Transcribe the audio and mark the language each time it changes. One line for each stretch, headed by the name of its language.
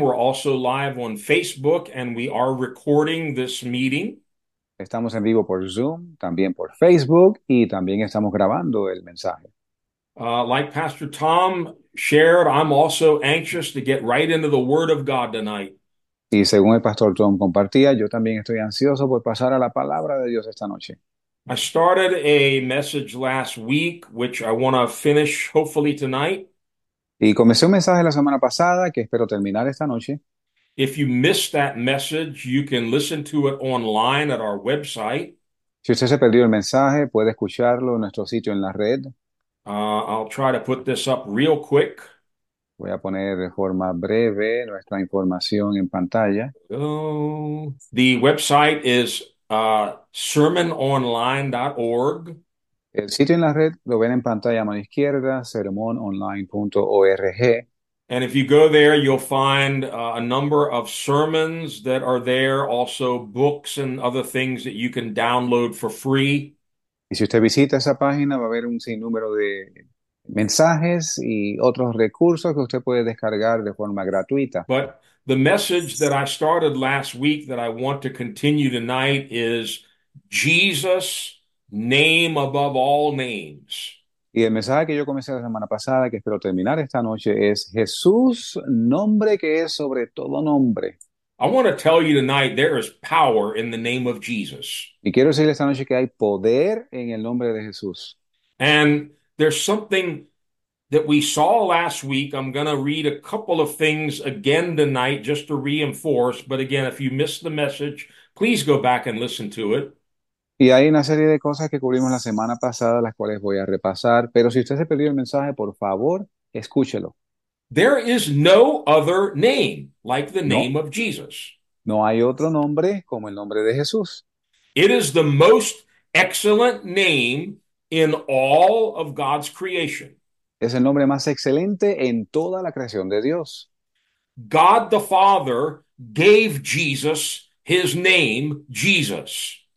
English: We're also live on Facebook, and we are recording this meeting.
Spanish: Estamos en vivo por Zoom, también por Facebook, y también estamos grabando el mensaje.
English: Like Pastor Tom shared, I'm also anxious to get right into the Word of God tonight.
Spanish: Y según el Pastor Tom compartía, yo también estoy ansioso por pasar a la palabra de Dios esta noche.
English: I started a message last week, which I want to finish hopefully tonight.
Spanish: Y comencé un mensaje la semana pasada que espero terminar esta noche.
English: If you missed that message, you can listen to it online at our website.
Spanish: Si usted se perdió el mensaje, puede escucharlo en nuestro sitio en la red.
English: I'll try to put this up real quick.
Spanish: Voy a poner de forma breve nuestra información en pantalla.
English: The website is sermononline.org.
Spanish: El sitio en la red lo ven en pantalla a mano izquierda, sermononline.org.
English: And if you go there, you'll find a number of sermons that are there, also books and other things that you can download for free.
Spanish: Y si usted visita esa página, va a ver un sinnúmero de mensajes y otros recursos que usted puede descargar de forma gratuita.
English: But the message that I started last week that I want to continue tonight is Jesus, name above all names.
Spanish: Y el mensaje que yo comencé la semana pasada, que espero terminar esta noche, es Jesús, nombre que es sobre todo nombre.
English: I want to tell you tonight there is power in the name of Jesus.
Spanish: Y quiero decirle esta noche que hay poder en el nombre de Jesús.
English: And there's something that we saw last week. I'm going to read a couple of things again tonight just to reinforce. But again, if you missed the message, please go back and listen to it.
Spanish: Y hay una serie de cosas que cubrimos la semana pasada, las cuales voy a repasar. Pero si usted se perdió el mensaje, por favor, escúchelo.
English: There is no other name like the name of Jesus.
Spanish: No hay otro nombre como el nombre de Jesús.
English: It is the most excellent name in all of God's creation.
Spanish: Es el nombre más excelente en toda la creación de Dios.
English: God the Father gave Jesus his name, Jesus.